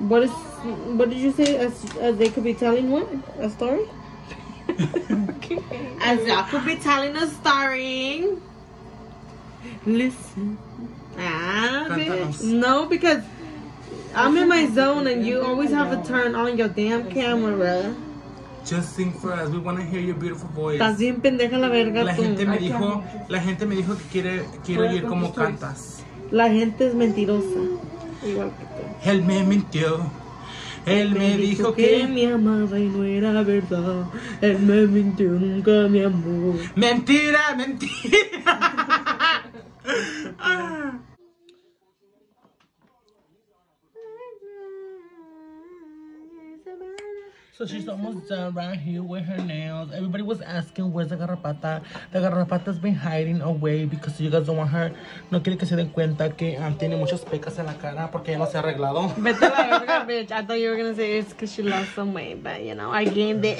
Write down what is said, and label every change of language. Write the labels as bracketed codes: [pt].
[en] What did you say? As they could be telling what? A story? Okay. As y'all could be telling a story. Listen. Ah, bitch. No, because I'm in my zone and you always have to turn on your damn camera. Just sing for us. We want to hear your beautiful voice. [es] Estás bien pendeja la verga. La gente me dijo que quiere oír como cantas. La gente es mentirosa. Igual que tú. Él me mintió. Él me dijo que me amaba y no era verdad. Él me mintió, nunca me amó. Mentira, mentira. [en] So she's almost done right here with her nails. Everybody was asking, where's the garrapata? The garrapata's been hiding away because you guys don't want her. [es] No quiere que se den cuenta que tiene muchas pecas en la cara porque ya no se ha arreglado. Vete la verga, bitch. [en] I thought you were going to say it's because she lost some weight, but you know, I gained it.